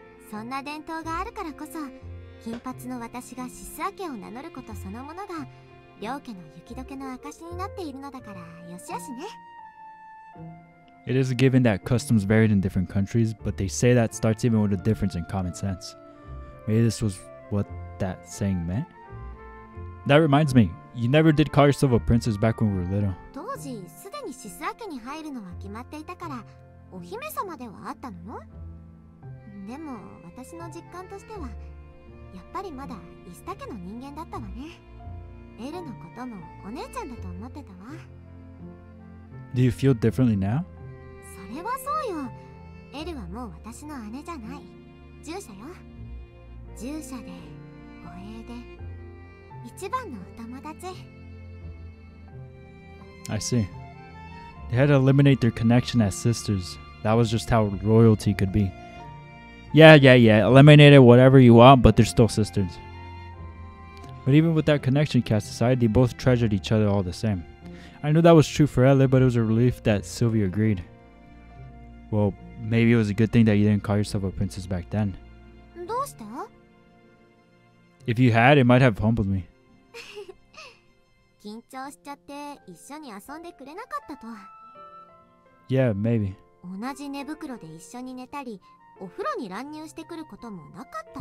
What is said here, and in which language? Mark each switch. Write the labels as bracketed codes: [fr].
[ja] そんな伝統があるからこそ、金髪の私がシスアケを名乗ることそのものが両家の雪解けの証になっているのだから、よしよしね。 [en] It is a given that customs varied in different countries, but they say that starts even with a difference in common sense. Maybe this was what that saying meant? That reminds me, you never did call yourself a princess back when we were little. [ja] 当時、すでにシスアケに入るのは決まっていたから、お姫様ではあったの? でも、私の実感としては、やっぱりまだイスタ家の人間だったわね。エルのこともお姉ちゃんだと思ってたわ。 [en] Do you feel differently now? [ja] それはそうよ。エルはもう私の姉じゃない。従者よ。従者で、護衛で、一番のお友達。 [en] I see. They had to eliminate their connection as sisters. That was just how royalty could be. Yeah. Eliminate it whatever you want, but they're still sisters. But even with that connection cast aside, they both treasured each other all the same. I knew that was true for Ella, but it was a relief that Sylvie agreed. Well, maybe it was a good thing that you didn't call yourself a princess back then. [ja] どうした? [en] If you had, it might have humbled me. [ja] 緊張しちゃって一緒に遊んでくれなかったと。 [en] Yeah, maybe. [ja] 同じ寝袋で一緒に寝たり、お風呂に乱入してくることもなかった。